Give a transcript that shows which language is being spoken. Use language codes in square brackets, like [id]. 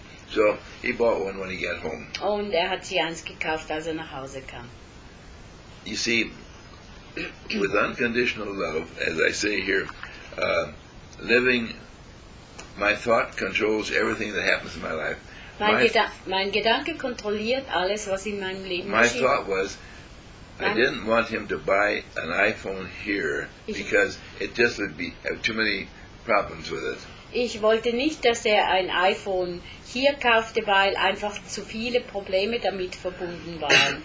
[en] So he bought one when he got home. [de] Und er hat sich eins gekauft, als er nach Hause kam. [en] You see, with unconditional love, as I say here, living, my thought controls everything that happens in my life. [de] Mein Gedanke kontrolliert alles, was in meinem Leben geschieht. [en] My thought was, I didn't want him to buy an iPhone here because it just would be have too many problems with it. [de] Ich wollte nicht, dass er ein iPhone hier kaufte, weil einfach zu viele Probleme damit verbunden waren.